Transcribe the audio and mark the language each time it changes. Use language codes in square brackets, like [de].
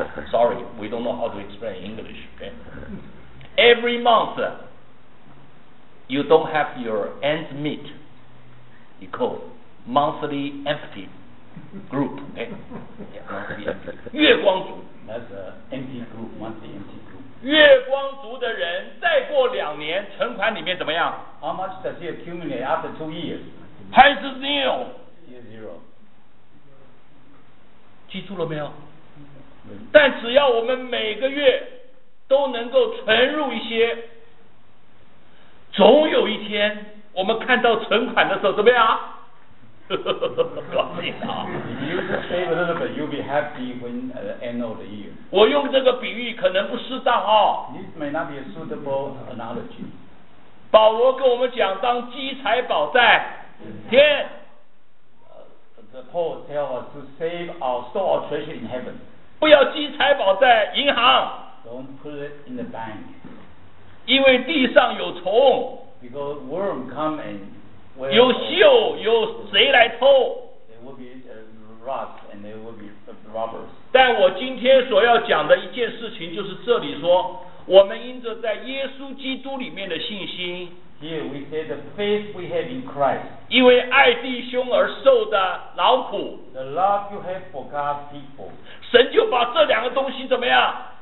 [en] Sorry, we don't know how to explain English、okay? Every month you don't have your ends meet, you call monthly empty group、okay? Yeah, monthly empty. 月光族 That's an empty group, monthly empty group. [zh] 月光族的人再过两年存款里面怎么样？ [en] How much does he accumulate after 2 years? [zh] 还是 zero。记住了没有？但只要我们每个月都能够存入一些，总有一天我们看到存款的时候怎么样？高兴啊！ [en] You save a little bit, you'll be happy when the end of the year. [zh] 我用这个比喻可能不适当啊。 [en] This may not be a suitable analogy. [zh] 保罗跟我们讲，当积财宝在天。 [en] Paul tell us to save our store or treasure in heaven. [zh] 不要积财宝在银行。 [en] Don't put it in the bank. [zh] 因为地上有虫。 [en] Because worm come and. [zh] 有锈，有贼来偷。 [en] There will be rust and there will be robbers. [zh] 但我今天所要讲的一件事情就是这里说，我们因着在耶稣基督里面的信心。 [en] Here we say the faith we have in Christ. [zh] 因为爱弟兄而受的劳苦。 [en] The love you have for God's people. [zh] 神就把这两个东西怎么样？